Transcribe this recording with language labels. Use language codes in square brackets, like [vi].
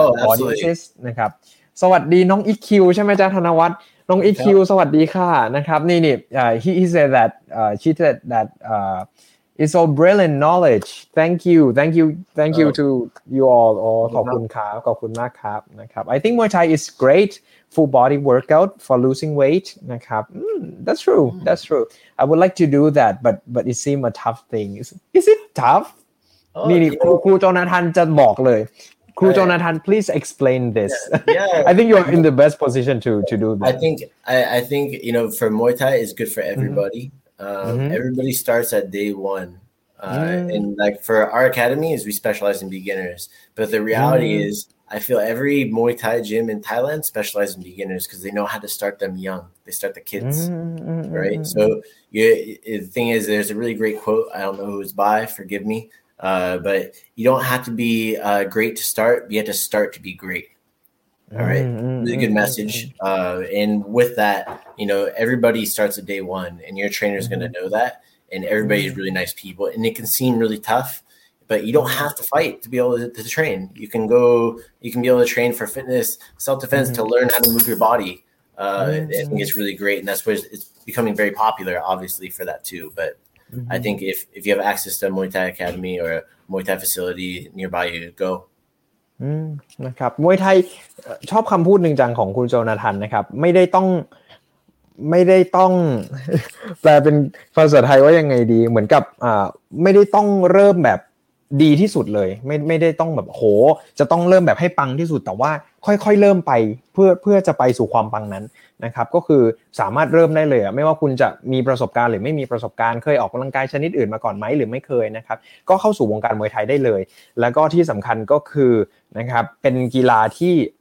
[th] audiences นะครับสวัสดีน้องอีคิวใช่ไหมจ๊ะธนวัฒน์น้องอีคิวสวัสดีค่ะนะครับนี่ he said that she said thatIt's all brilliant knowledge. [en] Thank you to you all. ขอบคุณครับ ขอบคุณมากครับ นะครับ I think Muay Thai is great full body workout for losing weight. นะครับ That's true. That's true. I would like to do that, but it seems a tough thing. Is it tough? [th] นี่ครูโจนาธานจะบอกเลย ครูโจนาธาน please explain this. [en] Yeah. I think you're in the best position to do that. I think you know for Muay Thai is good for everybody. Mm-hmm. Everybody starts at day one. And like for our academy is we specialize in beginners. But the reality is I feel every Muay Thai gym in Thailand specializes in beginners because they know how to start them young. They start the kids, right? So the thing is there's a really great quote. I don't know who it's by, forgive me. But you don't have to be great to start. You have to start to be great. All right. Really good message. And with that, you know, everybody starts at day one and your trainer is going to know that. And everybody is really nice people and it can seem really tough, but you don't have to fight to be able to train. You can be able to train for fitness, self-defense, to learn how to move your body. I think it's really great. And that's what it's becoming very popular, obviously, for that too. But I think if you have access to a Muay Thai academy or a Muay Thai facility nearby, you go. [th] นะครับมวยไทยชอบคำพูดหนึ่งจังของคุณโจนาธานนะครับไม่ได้ต้องแปลเป็นภาษาไทยว่ายังไงดีเหมือนกับไม่ได้ต้องเริ่มแบบ ดีที่สุดเลยไม่ได้ต้องแบบโหจะต้องเริ่มแบบให้ปังที่สุดแต่ว่าค่อยๆเริ่มไปเพื่อจะไปสู่ความปังนั้นนะครับก็คือสามารถเริ่มได้เลยไม่ว่าคุณจะมีประสบการณ์หรือไม่มีประสบการณ์เคยออกกําลังกายชนิดอื่นมาก่อนไหมหรือไม่เคยนะครับก็เข้าสู่วงการมวยไทยได้เลยแล้วก็ที่สำคัญก็คือนะครับเป็นกีฬาที่